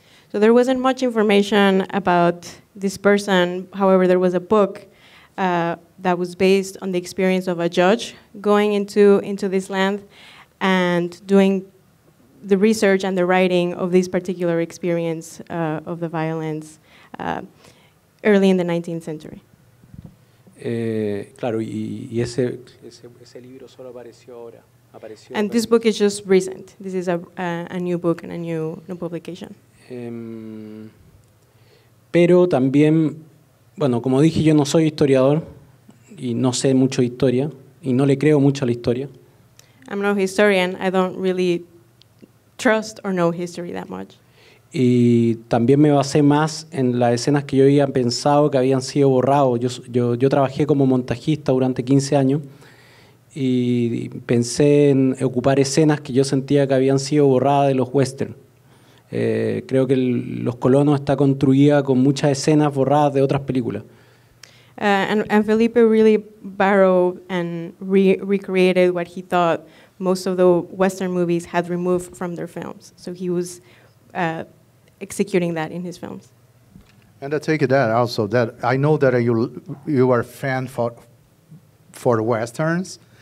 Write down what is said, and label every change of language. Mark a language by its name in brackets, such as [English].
[English] So there wasn't much information about this person, however there was a book that was based on the experience of a judge going into this land and doing the research and the writing of this particular experience of the violence early in the 19th century. [Spanish] Claro, y ese libro solo apareció ahora. [English] And this book is just recent. This is a new book and a new publication. [Spanish] Pero también, bueno, como dije, yo no soy historiador y no sé mucho historia y no le creo mucho a la historia. I'm no historian. I don't really trust or know history that much. Y también me basé más en las escenas que yo había pensado que habían sido borrados. Yo trabajé como montajista durante 15 años y pensé en ocupar escenas que yo sentía que habían sido borradas de los westerns. Creo que Los Colonos está construida con muchas escenas borradas de otras películas. [English] And Felipe really borrowed and recreated what he thought most of the Western movies had removed from their films. So he was executing that in his films. And I take it that also that I know that you are a fan for Westerns.